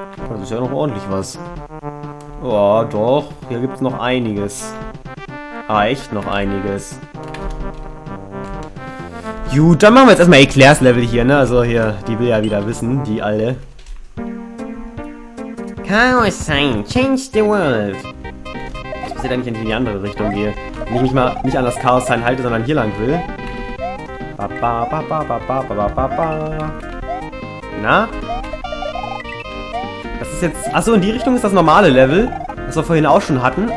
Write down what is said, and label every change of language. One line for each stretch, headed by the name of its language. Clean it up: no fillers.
German: Das ist ja noch ordentlich was. Ja, doch. Hier gibt's noch einiges. Ah, echt noch einiges. Gut, dann machen wir jetzt erstmal Eclairs Level hier, ne? Also hier, die will ja wieder wissen, die alle.
English: Chaos Sign, change the world.
German: Was passiert eigentlich, wenn ich in die andere Richtung gehe? Wenn ich mich mal nicht an das Chaos Sign halte, sondern hier lang will. Ba, ba, ba, ba, ba, ba, ba, ba, ba. Na? Das ist jetzt... Achso, in die Richtung ist das normale Level, was wir vorhin auch schon hatten.